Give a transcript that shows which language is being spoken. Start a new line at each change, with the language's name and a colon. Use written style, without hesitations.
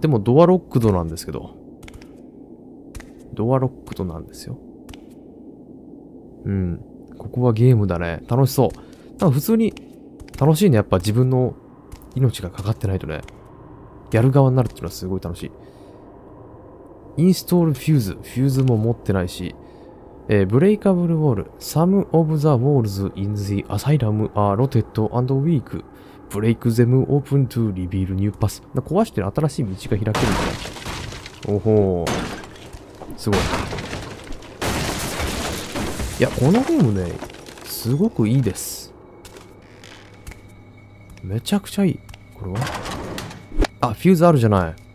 Japanese: でもドアロックドなんですけど。ドアロックドなんですよ。うん。ここはゲームだね。楽しそう。多分普通に楽しいね。やっぱ自分の命がかかってないとね。やる側になるっていうのはすごい楽しい。インストールフューズ。フューズも持ってないし。ブレイカブルウォール。
English: Some of the walls in the asylum are rotted and weak. Break them open to reveal new paths.
Japanese: 壊してる新しい道が開けるんだ。おほー。すごい。いや、このゲームね、すごくいいです。めちゃくちゃいい。これは？あ、フューズあるじゃない。